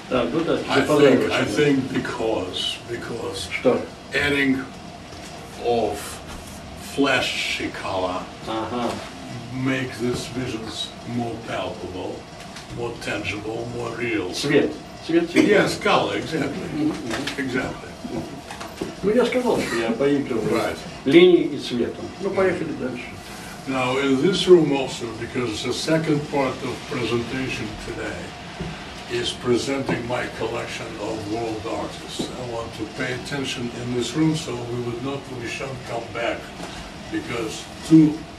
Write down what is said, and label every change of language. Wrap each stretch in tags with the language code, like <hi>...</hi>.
<en>I think because adding of flashy color make these visions more palpable, more tangible, more real. Yes, color, exactly.</en> <ru>Ну, я сказал, что я поигрываю линией и цветом. Ну, поехали дальше.</ru> <en>Now, in this room also, because the second part of presentation today is presenting my collection of world artists. I want to pay attention in this room so we would not, we shan't come back, because two</en>